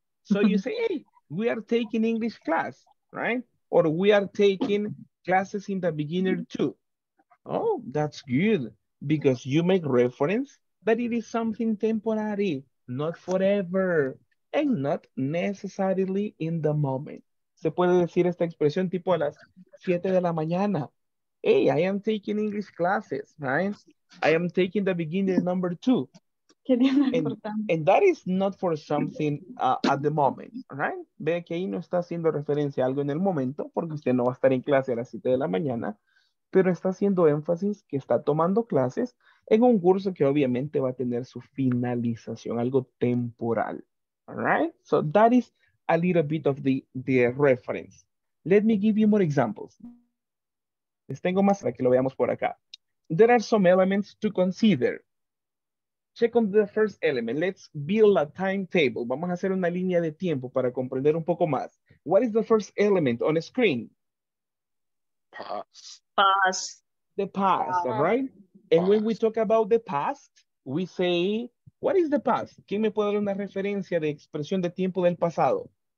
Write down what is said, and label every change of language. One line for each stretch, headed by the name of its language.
English: So you say, hey, we are taking English class, right? Or we are taking classes in the beginner two. Oh, that's good. Because you make reference that it is something temporary, not forever, and not necessarily in the moment.
Spanish: Se puede decir esta expresión tipo a las 7 de la mañana.
English: Hey, I am taking English classes, right? I am taking the beginner number 2.
Spanish: Qué bien importante.
English: And that is not for something at the moment, right?
Spanish: Ve que ahí no está haciendo referencia a algo en el momento, porque usted no va a estar en clase a las 7 de la mañana, pero está haciendo énfasis que está tomando clases en un curso que obviamente va a tener su finalización, algo temporal, all right?
English: So that is a little bit of the reference. Let me give you more examples.
Spanish: Les tengo más para que lo veamos por acá.
English: There are some elements to consider. Check on the first element. Let's build a timetable.
Spanish: Vamos a hacer una línea de tiempo para comprender un poco más.
English: What is the first element on the screen? Past. The past, all right? And when we talk about the past, we say, what is the past?
Spanish: ¿Quién me puede dar una referencia de expresión de tiempo del pasado?